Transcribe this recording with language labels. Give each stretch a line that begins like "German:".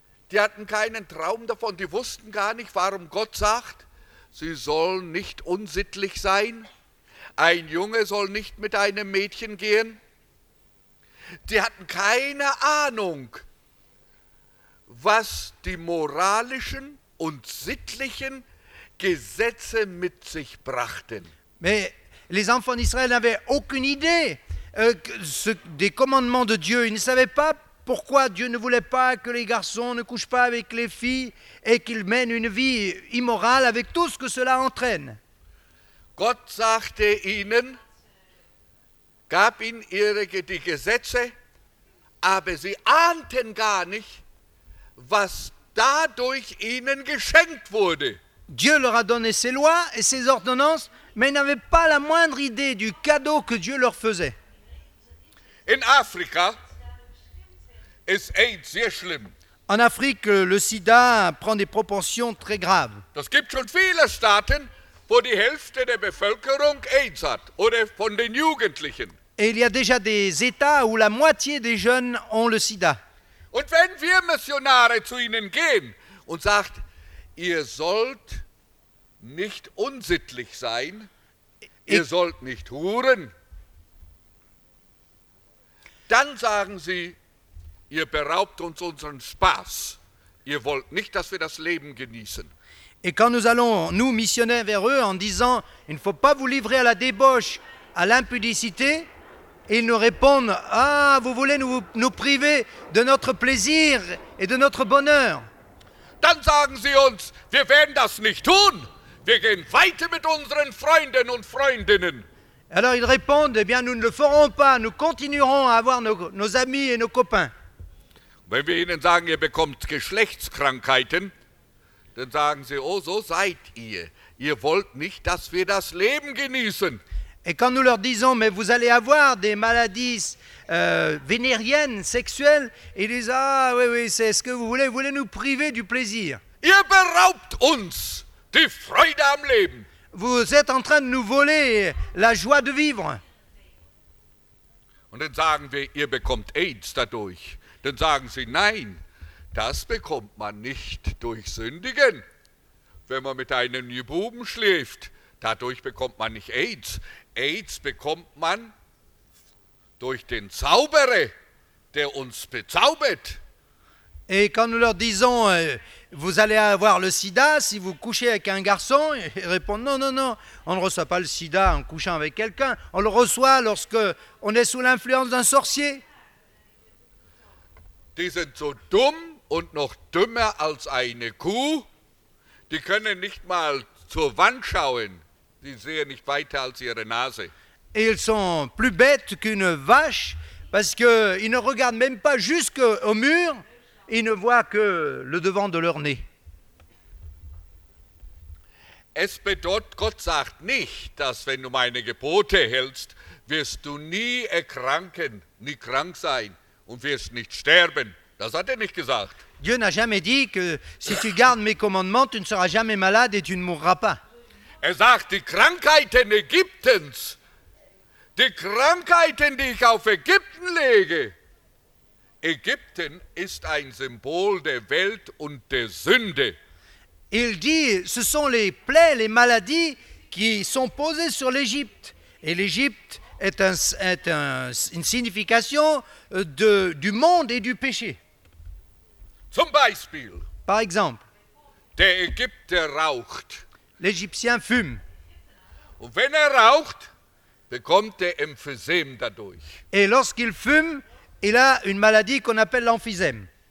German: Die hatten keinen Traum davon, die wussten gar nicht, warum Gott sagt, sie sollen nicht unsittlich sein. Ein Junge soll nicht mit einem Mädchen gehen. Die hatten keine Ahnung, was die moralischen und sittlichen Gesetze mit sich brachten.
French: Mais les enfants d'Israël n'avaient aucune idée des commandements de Dieu. Ils ne savaient pas pourquoi Dieu ne voulait pas que les garçons ne couchent pas avec les filles et qu'ils mènent une vie immorale avec tout ce que cela entraîne.
German: Gott sagte ihnen, gab ihnen die Gesetze, aber sie ahnten gar nicht, was dadurch ihnen geschenkt wurde.
French: Dieu leur a donné ses lois et ses ordonnances, mais n'avaient pas la moindre idée du cadeau que Dieu leur faisait.
German: In Afrika ist AIDS sehr schlimm.
French: En Afrique, le sida prend des proportions très graves.
German: Das gibt schon viele Staaten, wo die Hälfte der Bevölkerung AIDS hat, oder von den Jugendlichen.
French: Et il y a déjà des États où la moitié des jeunes ont le sida.
German: Und wenn wir Missionare zu ihnen gehen und sagt, ihr sollt nicht unsittlich sein, ihr sollt nicht huren, dann sagen sie, ihr beraubt uns unseren Spaß, ihr wollt nicht, dass wir das Leben genießen.
French: Et quand nous allons, nous missionnaires, vers eux en disant, il ne faut pas vous livrer à la débauche, à l'impudicité, ils nous répondent, ah, vous voulez nous priver de notre plaisir et de notre bonheur.
German: Dann sagen sie uns, wir werden das nicht tun. Wir gehen weiter mit unseren Freunden und Freundinnen.
French: Alors ils répondent, eh bien, nous ne le ferons pas, nous continuerons à avoir nos amis et nos copains.
German: Wenn wir ihnen sagen, ihr bekommt Geschlechtskrankheiten, dann sagen sie, oh, so seid ihr. Ihr wollt nicht, dass wir das Leben genießen.
French: Et quand nous leur disons, mais vous allez avoir des maladies vénériennes, sexuelles, ils disent, ah oui, oui, c'est ce que vous voulez nous priver du plaisir.
German: Ihr beraubt uns die Freude am Leben.
French: Vous êtes en train de nous voler la joie de vivre.
German: Und dann sagen wir, ihr bekommt AIDS dadurch. Dann sagen sie, nein, das bekommt man nicht durch Sündigen. Wenn man mit einem Buben schläft, dadurch bekommt man nicht AIDS. AIDS bekommt man durch den Zauberer, der uns bezaubert.
French: Et quand nous leur disons, vous allez avoir le sida si vous couchez avec un garçon, ils répondent, non, on ne reçoit pas le sida en couchant avec quelqu'un. On le reçoit lorsque on est sous l'influence d'un sorcier.
German: Die sind so dumm und noch dümmer als eine Kuh. Die können nicht mal zur Wand schauen, sie sehen nicht weiter als ihre Nase.
French: Et ils sont plus bêtes qu'une vache parce que ils ne regardent même pas jusque au mur, ils ne voient que le devant de leur nez.
German: Es bedeutet, Gott sagt nicht, dass wenn du meine Gebote hältst, wirst du nie erkranken, nie krank sein und wirst nicht sterben. Das hat er nicht gesagt.
French: Dieu n'a jamais dit que si tu gardes mes commandements, tu ne seras jamais malade et tu ne mourras pas.
German: Er sagt, die Krankheiten Ägyptens, die Krankheiten, die ich auf Ägypten lege. Ägypten ist ein Symbol der Welt und der Sünde.
French: Il dit, ce sont les plaies, les maladies qui sont posées sur l'Égypte. Et l'Égypte est, une signification du monde et du péché.
German: Zum Beispiel.
French: Par exemple.
German: Der Ägypter raucht.
French: L'Égyptien fume.
German: Und wenn raucht, bekommt emphysème dadurch.
French: Et lorsqu'il fume, il a une maladie qu'on appelle l'emphysème.